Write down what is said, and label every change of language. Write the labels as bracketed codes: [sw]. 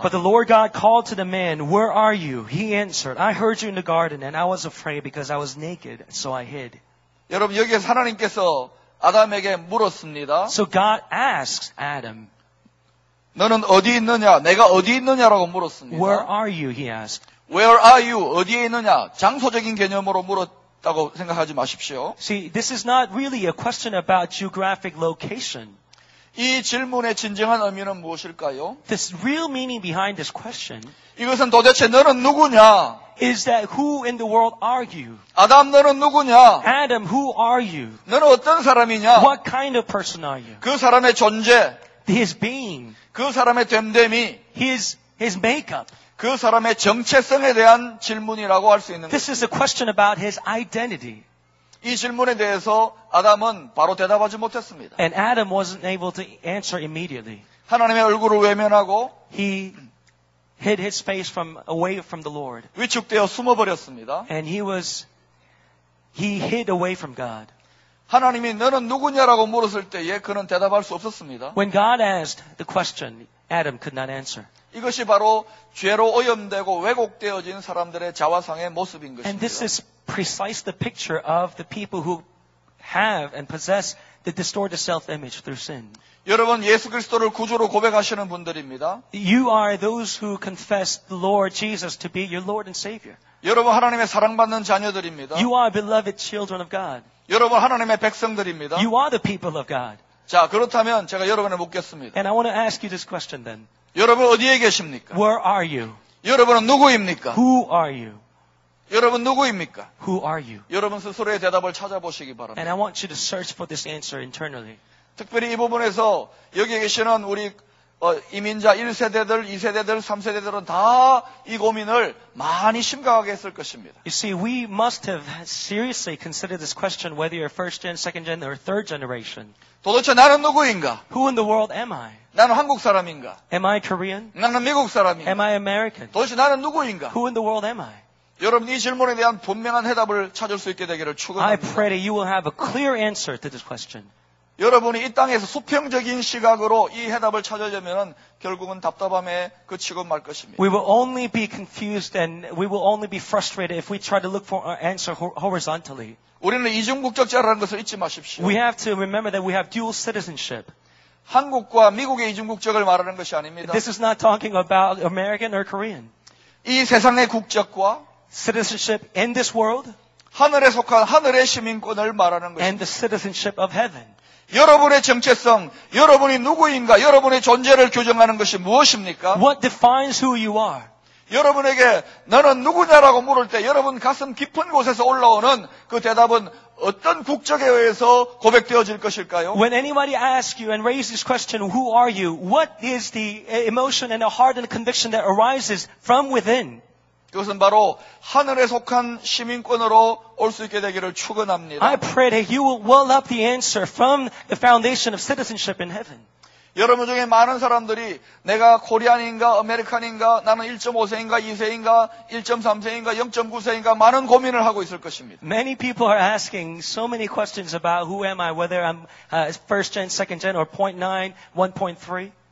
[en] But the Lord God called to the man, Where are you? He answered, I heard you in the garden, and I was afraid because I was naked, so I hid. [ko] 여러분 여기에서 하나님께서 아담에게 물었습니다. [en] So God asks Adam, [ko] 너는 어디 있느냐? 내가 어디 있느냐라고 물었습니다. [en] Where are you? He asked. Where are you? [ko] 어디에 있느냐? 장소적인 개념으로 물었다고 생각하지 마십시오. [en] See, this is not really a question about geographic location. [ko] 이 질문의 진정한 의미는 무엇일까요? [en] This real meaning behind this question. [ko] 이것은 도대체 너는 누구냐? [en] Is that who in the world are you? [ko] 아담 너는 누구냐? [en] Adam, who are you? [ko] 너는 어떤 사람이냐? [en] What kind of person are you? [ko] 그 사람의 존재. [en] His being. [ko] 그 사람의 됨됨이. [en] His makeup. [ko] 그 사람의 정체성에 대한 질문이라고 할 수 있는 [en] This [ko] 것입니다. [en] Is a question about his identity. [ko] 이 질문에 대해서 아담은 바로 대답하지 못했습니다. [en] And Adam wasn't able to answer immediately. [ko] 하나님의 얼굴을 외면하고 [en] He hid his face from away from the Lord. [ko] 위축되어 숨어버렸습니다. [en] And he hid away from God. [ko] 하나님이 너는 누구냐라고 물었을 때에 그는 대답할 수 없었습니다. [en] When God asked the question, Adam could not answer. [ko] 이것이 바로 죄로 오염되고 왜곡되어진 사람들의 자화상의 모습인 것입니다. [en] And this is precise the picture of the people who have and possess the distorted self-image through sin. [ko] 여러분 예수 그리스도를 구주로 고백하시는 분들입니다. [en] You are those who confess the Lord Jesus to be your Lord and Savior. [ko] 여러분 하나님의 사랑받는 자녀들입니다. [en] You are beloved children of God. [ko] 여러분 하나님의 백성들입니다. [en] You are the people of God. [ko] 자, 그렇다면 제가 여러분을 묻겠습니다. [en] And I want to ask you this question then. [ko] 여러분 어디에 계십니까? [en] Where are you? [ko] 여러분은 누구입니까? [en] Who are you? [ko] 여러분 누구입니까? [en] Who are you? [ko] 여러분 스스로의 대답을 찾아보시기 바랍니다. [en] And I want you to search for this answer internally. [ko] 특별히 이 부분에서 여기 계시는 우리 이민자 1세대들, 2세대들, 3세대들은 다 이 고민을 많이 심각하게 했을 것입니다. [en] You see, we must have seriously considered this question whether you're first gen, second gen, or third generation. [ko] 도대체 나는 누구인가? [en] Who in the world am I? [ko] 나는 한국 사람인가? [en] Am I Korean? [ko] 나는 미국 사람인가? [en] Am I American? [ko] 도대체 나는 누구인가? [en] Who in the world am I? [ko] 여러분 이 질문에 대한 분명한 해답을 찾을 수 있게 되기를 축원합니다. [en] I pray that you will have a clear answer to this question. [ko] 여러분이 이 땅에서 수평적인 시각으로 이 해답을 찾으려면 결국은 답답함에 그치고 말 것입니다. [en] We will only be confused and we will only be frustrated if we try to look for our answer horizontally. [ko] 우리는 이중국적자라는 것을 잊지 마십시오. [en] We have to remember that we have dual citizenship. [ko] 한국과 미국의 이중국적을 말하는 것이 아닙니다. [en] This is not talking about American or Korean. [ko] 이 세상의 국적과 [en] citizenship in this world [ko] 하늘에 속한 하늘의 시민권을 말하는 것입니다. [en] And the citizenship of heaven. [ko] 여러분의 정체성, 여러분이 누구인가, 여러분의 존재를 규정하는 것이 무엇입니까? [en] What defines who you are? [ko] 여러분에게 너는 누구냐라고 물을 때 여러분 가슴 깊은 곳에서 올라오는 그 대답은 어떤 국적에 의해서 고백되어질 것일까요? [en] When anybody asks you and raises this question, who are you? What is the emotion and the heart and the conviction that arises from within? [ko] 그것은 바로 하늘에 속한 시민권으로 올 수 있게 되기를 축원합니다. [en] I pray that you will well up the answer from the foundation of citizenship in heaven. [ko] 여러분 중에 많은 사람들이 내가 코리안인가 아메리칸인가 나는 1.5세인가 2세인가 1.3세인가 0.9세인가 많은 고민을 하고 있을 것입니다. [en] Many people are asking so many questions about who am I, whether I'm first gen, second gen, or 0.9, 1.3.